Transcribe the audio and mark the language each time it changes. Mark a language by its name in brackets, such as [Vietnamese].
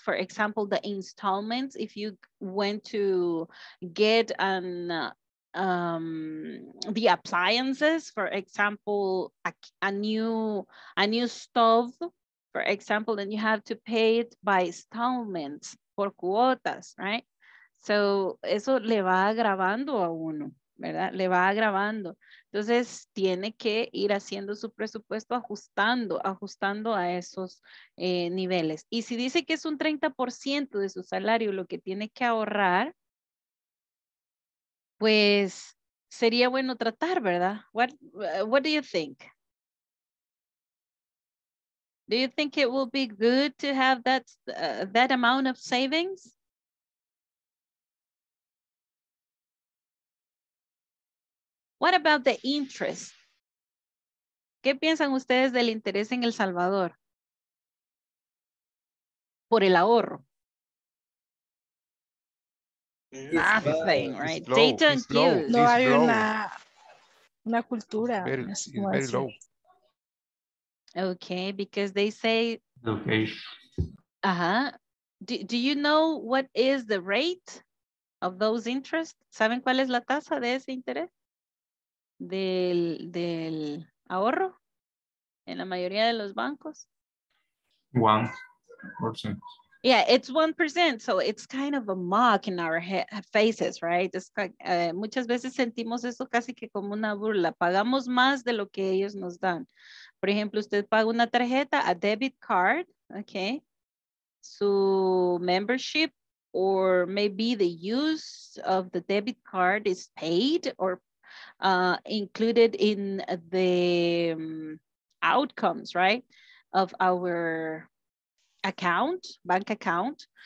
[English] For example, the installments, if you went to get an the appliances, for example, a new stove, for example, then you have to pay it by installments, [Spanish] por cuotas, [English] right? [Spanish] So eso le va agravando a uno, ¿verdad? Le va agravando. Entonces tiene que ir haciendo su presupuesto ajustando a esos niveles. Y si dice que es un 30% de su salario lo que tiene que ahorrar, pues sería bueno tratar, ¿verdad? [English] What do you think? Do you think it will be good to have that amount of savings? What about the interest? [Spanish] ¿Qué piensan ustedes del interés en El Salvador? Por el ahorro. [English] Nothing, right? Low. Data and [Spanish] use. No hay una cultura. [English] Very low. Okay, because they say... Okay. Uh-huh. Do you know what is the rate of those interests? [Spanish] ¿Saben cuál es la tasa de ese interés? Del ahorro en la mayoría de los bancos? [English] 1%. Yeah, it's 1%. So it's kind of a mock in our faces, right? It's like, [Spanish] muchas veces sentimos eso casi que como una burla. Pagamos más de lo que ellos nos dan. Por ejemplo, usted paga una tarjeta, [English] a debit card, okay? Su membership, or maybe the use of the debit card is paid or included in the outcomes, right, of our account, bank account.